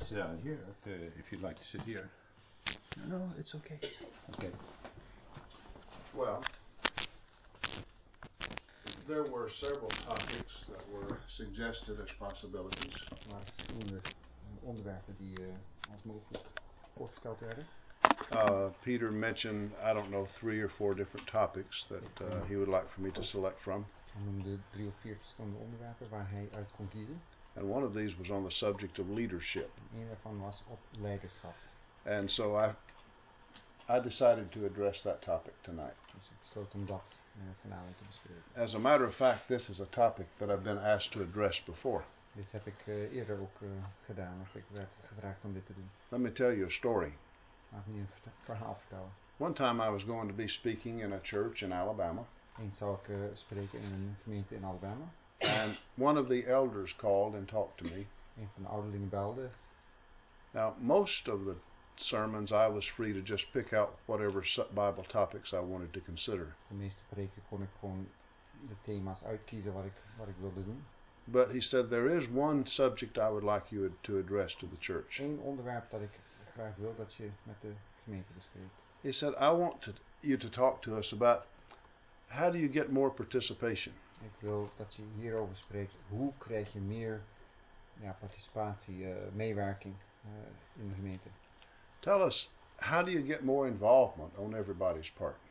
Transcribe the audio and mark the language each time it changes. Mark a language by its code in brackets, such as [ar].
[en] sit down here if you'd like to sit here. No, it's okay. Okay. Well, there were several topics that were suggested as possibilities. [nl] Maar verschillende onderwerpen die als mogelijk voorgesteld werden. [en] Peter mentioned, I don't know, 3 or 4 different topics that he would like for me to select from. [nl] Hij noemde 3 of 4 verschillende onderwerpen waar hij uit kon kiezen. [en] And one of these was on the subject of leadership. [nl] Een daarvan was op leiderschap. [en] And so I decided to address that topic tonight. [nl] Dus ik besloot om dat vanavond te bespreken. [en] As a matter of fact, this is a topic that I've been asked to address before. [nl] Dit heb ik eerder ook gedaan, of ik werd gevraagd om dit te doen. [en] Let me tell you a story. [nl] Laat me je verhaal vertellen. [en] One time I was going to be speaking in a church in Alabama. [nl] Eens zou ik spreken in een gemeente in Alabama. [en] And one of the elders called and talked to me. [nl] Een van de ouderlingen belde. [en] Now, most of the sermons I was free to just pick out whatever Bible topics I wanted to consider. [nl] De meeste preken kon ik gewoon de thema's uitkiezen wat ik wilde doen. [en] But he said there is one subject I would like you to address to the church. [nl] Eén onderwerp dat ik graag wil dat je met de gemeente bespreekt. [en] He said I want you to talk to us about how do you get more participation. [nl] Ik wil dat je hierover spreekt. Hoe krijg je meer participatie, meewerking in de gemeente? [en] Tell us, how do you get more involvement on everybody's part?